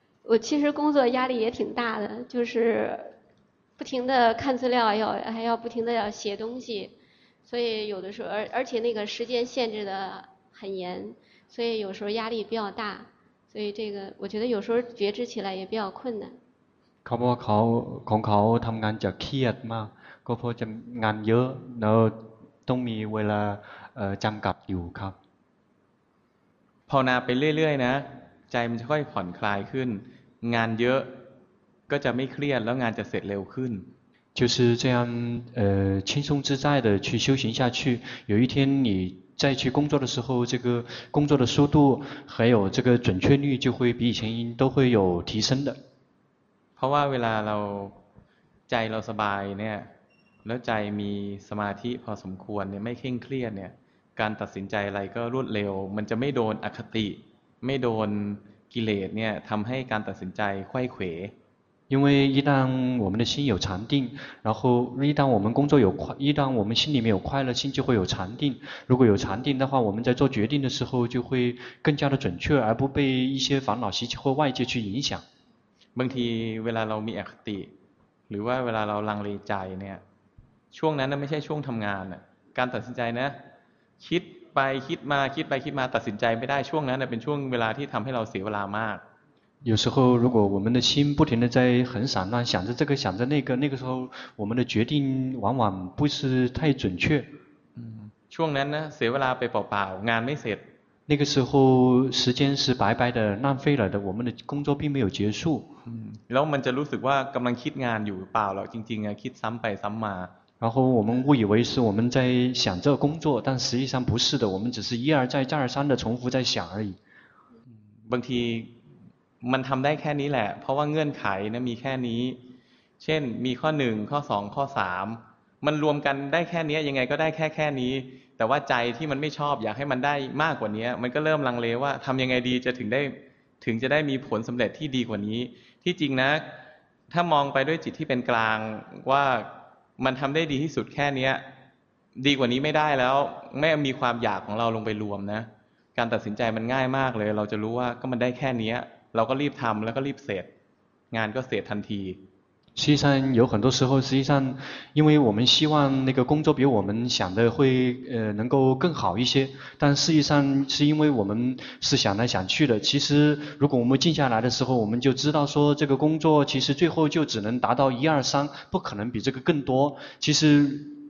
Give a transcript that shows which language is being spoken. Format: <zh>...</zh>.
<zh>我其实工作压力也挺大的就是不停的看资料还要不停的要写东西所以有的时候而且那个时间限制的很严所以有时候压力比较大所以这个我觉得有时候觉知起来也比较困难</zh> <th>เขาบอกของเขาทำงานจะเครียดมากก็เพราะจะงานเยอะแล้วต้องมีเวลาจำกัดอยู่ครับ ภาวนาไปเรื่อยๆนะใจมันจะค่อยผ่อนคลายขึ้นงานเยอะก็จะไม่เครียดแล้วงานจะเสร็จเร็วขึ้น</th> <zh>就是这样轻松自在的去修行下去有一天你再去工作的时候这个工作的速度还有这个准确率就会比以前都会有提升的</zh> <th>เพราะว่าเวลาเราใจเราสบายเนี่ยแล้วใจมีสมาธิพอสมควรเนี่ยไม่เคร่งเครียดเนี่ยการตัดสินใจอะไรก็รวดเร็วมันจะไม่โดนอคติไม่โดนกิเลสเนี่ยทำให้การตัดสินใจไขว้เขว</th> <zh>因为一旦我们的心有禅定然后一旦我们工作有快一旦我们心里面有快乐心就会有禅定如果有禅定的话我们在做决定的时候就会更加的准确而不被一些烦恼习气或外界去影响</zh> <th>บางทีเวลาเรามีอคติหรือว่าเวลาเราลังเลใจเนี่ยช่วงนั้นไม่ใช่ช่วงทำงานการตัดสินใจนะคิดไปคิดมาคิดไปคิดมาตัดสินใจไม่ได้ช่วงนั้นเป็นช่วงเวลาที่ทำให้เราเสียเวลามาก</th> <zh>有时候如果我们的心不停地在很散乱想着这个想着那个那个时候我们的决定往往不是太准确</zh> <th>ช่วงนั้นนะเสียเวลาไปเปล่าๆงานไม่เสร็จ</th> <zh>那个时候时间是白白的浪费了的我们的工作并没有结束</zh> <th>แล้วมันจะรู้สึกว่ากำลังคิดงานอยู่เปล่าหรอจริงๆคิดซ้ำไปซ้ำมา</th> <zh>然后我们误以为是我们在想着工作但实际上不是的我们只是一而再再而三的重复在想而已</zh> <th>บางทีมันทำได้แค่นี้แหละเพราะว่าเงื่อนไขนะมีแค่นี้เช่นมีข้อ1ข้อ2ข้อ3มันรวมกันได้แค่นี้ยังไงก็ได้แค่นี้แต่ว่าใจที่มันไม่ชอบอยากให้มันได้มากกว่านี้มันก็เริ่มลังเลว่าทำยังไงดีจะถึงจะได้มีผลสำเร็จที่ดีกว่านี้ที่จริงนะถ้ามองไปด้วยจิตที่เป็นกลางว่ามันทำได้ดีที่สุดแค่นี้ ดีกว่านี้ไม่ได้แล้วไม่มีความอยากของเราลงไปรวมนะการตัดสินใจมันง่ายมากเลยเราจะรู้ว่าก็มันได้แค่นี้เราก็รีบทำแล้วก็รีบเสร็จงานก็เสร็จทันที</th> <zh>实际上有很多时候实际上因为我们希望那个工作比我们想的会能够更好一些但实际上是因为我们是想来想去的其实如果我们静下来的时候我们就知道说这个工作其实最后就只能达到一二三不可能比这个更多其实</zh>